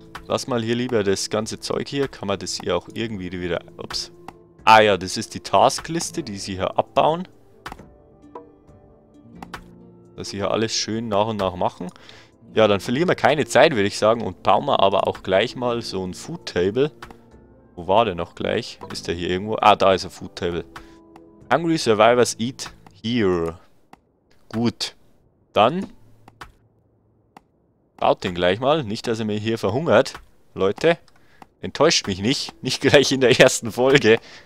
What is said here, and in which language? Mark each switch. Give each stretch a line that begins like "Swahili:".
German: Lass mal hier lieber das ganze Zeug hier. Kann man das hier auch irgendwie wieder... Ups. Ah ja, das ist die Taskliste, die sie hier abbauen. Dass sie hier alles schön nach und nach machen. Ja, dann verlieren wir keine Zeit, würde ich sagen. Und bauen wir aber auch gleich mal so ein Food Table. Wo war der noch gleich? Ist der hier irgendwo? Ah, da ist ein Food Table.
English: Hungry Survivors eat here.
German: Gut. Dann... Baut den gleich mal. Nicht, dass er mir hier verhungert. Leute, enttäuscht mich nicht. Nicht gleich in der ersten Folge.